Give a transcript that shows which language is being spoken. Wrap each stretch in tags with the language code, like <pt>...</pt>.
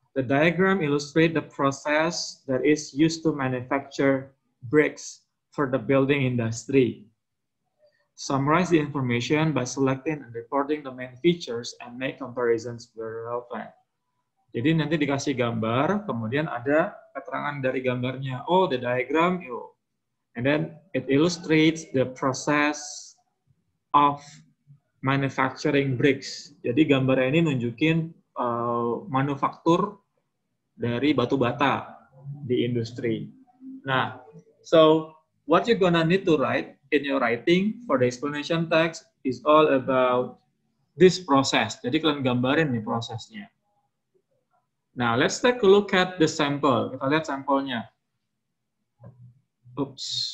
<en>The diagram illustrates the process that is used to manufacture bricks for the building industry. Summarize the information by selecting and reporting the main features and make comparisons where relevant.</en> <id>Jadi nanti dikasih gambar, kemudian ada keterangan dari gambarnya.</id> <en>Oh, the diagram, yo. And then it illustrates the process of manufacturing bricks.</en> <id>Jadi gambar ini nunjukin manufaktur dari batu bata di industri.</id> <en>Nah, so what you're gonna need to write in your writing for the explanation text is all about this process.</en> <id>Jadi kalian gambarin nih prosesnya.</id> <en>Now let's take a look at the sample.</en> <id>Kita lihat sampelnya. Oops.</id>